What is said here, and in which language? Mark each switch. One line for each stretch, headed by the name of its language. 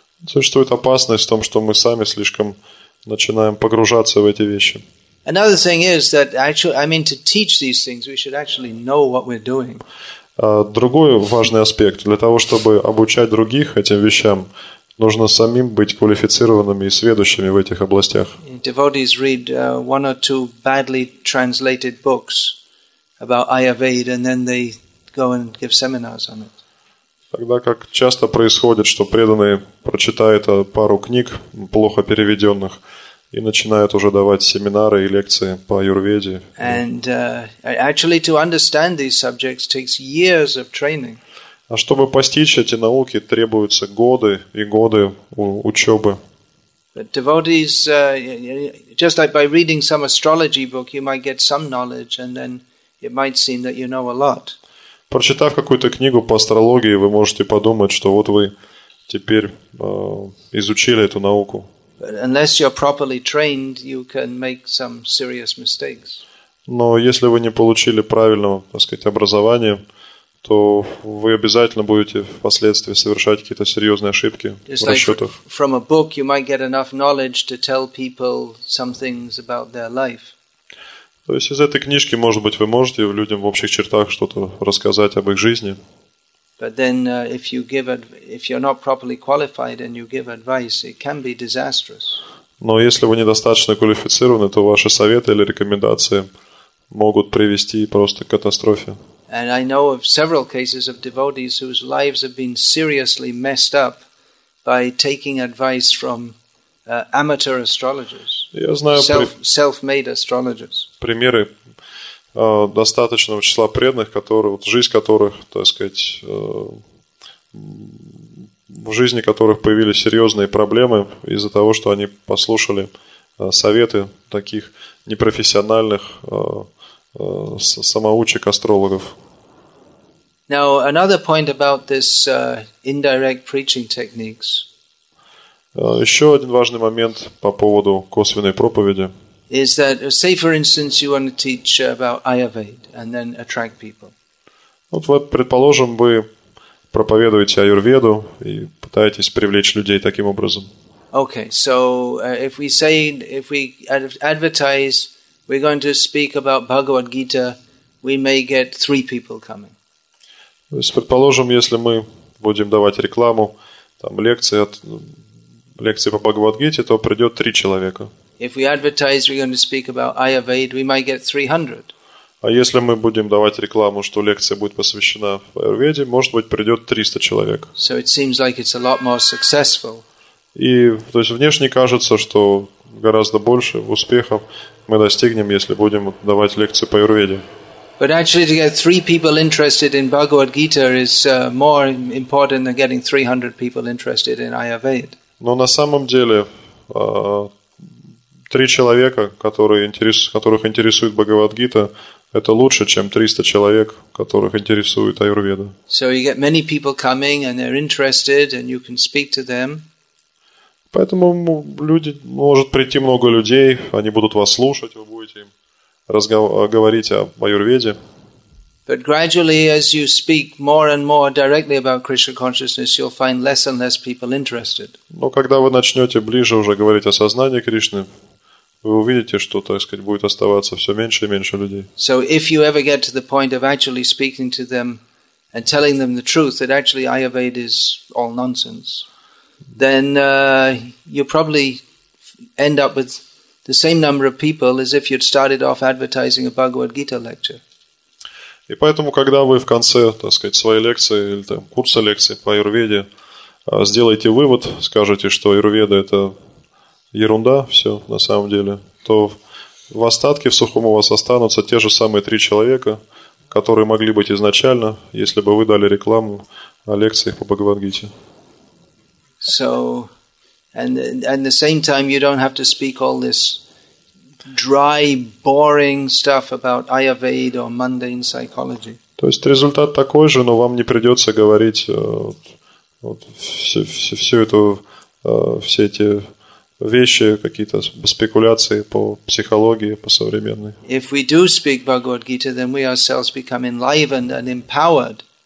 Russian: Существует опасность в том, что мы сами слишком начинаем погружаться в эти вещи.
English: Another thing is that actually, I mean, to teach these things, we should actually know what we're doing.
Russian: Другой важный аспект. Для того, чтобы обучать других этим вещам, нужно самим быть квалифицированными и сведущими в этих областях.
English: Devotees read one or two badly translated books about Ayurveda, and then they go and give seminars on it.
Russian: Тогда как часто происходит, что преданные прочитают пару книг, плохо переведенных, и начинают уже давать семинары и лекции по аюрведе.
English: And actually to understand these subjects takes years of training.
Russian: А чтобы постичь эти науки, требуются годы и годы учебы.
English: But devotees, just like by reading some astrology book, you might get some knowledge, and then it might seem that you know a lot.
Russian: Прочитав какую-то книгу по астрологии, вы можете подумать, что вот вы теперь изучили эту науку.
English: Unless you're properly trained, you can make some serious mistakes.
Russian: Но если вы не получили правильного, так сказать, образования, то вы обязательно будете впоследствии совершать какие-то серьезные ошибки в расчетах.
English: From a book you might get enough knowledge to tell people some things about their life.
Russian: То есть из этой книжки, может быть, вы можете людям в общих чертах что-то рассказать об их жизни.
English: But then if you're not properly qualified and you give advice, it can be disastrous.
Russian: Но если вы недостаточно квалифицированы, то ваши советы или рекомендации могут привести просто к катастрофе.
English: And I know of several cases of devotees whose lives have been seriously messed up by taking advice from amateur astrologers.
Russian: Я знаю
English: self-made astrologers.
Russian: Примеры достаточного числа преданных, которые вот жизнь которых, так сказать, в жизни которых появились серьезные проблемы из-за того, что они послушали советы таких непрофессиональных самоучек астрологов.
English: Now another point about this indirect preaching techniques.
Russian: Еще один важный момент по поводу косвенной проповеди.
English: Is that, say for instance, you want to teach about Ayurveda and then attract people.
Russian: Вот предположим, вы проповедуете Аюрведу и пытаетесь привлечь людей таким образом.
English: Okay, so if we advertise, we're going to speak about Bhagavad Gita, we may get three people coming.
Russian: То есть, предположим, если мы будем давать рекламу, там, лекции по Бхагавад-гите, то придет три человека.
English: If we advertise we're going to speak about Ayurveda, we might get 300.
Russian: А если мы будем давать рекламу, что лекция будет посвящена Аюрведе, может быть, придет 300 человек.
English: So it seems like it's a lot more successful.
Russian: И, то есть, внешне кажется, что гораздо больше успехов мы достигнем, если будем давать лекции по Аюрведе.
English: But actually, to get three people interested in Bhagavad Gita is more important than getting 300 people interested in Ayurveda.
Russian: Но на самом деле, три человека, которых интересует Бхагавадгита, это лучше, чем 300 человек, которых интересует Аюрведа.
English: So you get many people coming and they're interested and you can speak to them.
Russian: Поэтому люди, может прийти много людей, они будут вас слушать, вы будете им говорить о Аюрведе.
English: But gradually, as you speak more and more directly about Krishna consciousness, you'll find less and less people interested.
Russian: Но когда вы начнете ближе уже говорить о сознании Кришны, вы увидите, что, так сказать, будет оставаться все меньше и меньше людей.
English: So if you ever get to the point of actually speaking to them and telling them the truth, that actually Ayurveda is all nonsense, then you'll probably end up with the same number of people as if you'd started off advertising a Bhagavad Gita lecture.
Russian: И поэтому, когда вы в конце, так сказать, своей лекции или там, курса лекции по Аюрведе сделаете вывод, скажете, что Аюрведа – это ерунда, все на самом деле, то в остатке, в сухом у вас останутся те же самые три человека, которые могли быть изначально, если бы вы дали рекламу о лекциях по Бхагавадгите.
English: So, and the same time you don't have to speak all this dry, boring stuff about Ayurveda or mundane psychology.
Russian: То есть результат такой же, но вам не придется говорить все эти вещи, какие-то спекуляции по психологии, по современной.
English: If we do speak Bhagavad Gita, then we ourselves become enlivened and empowered.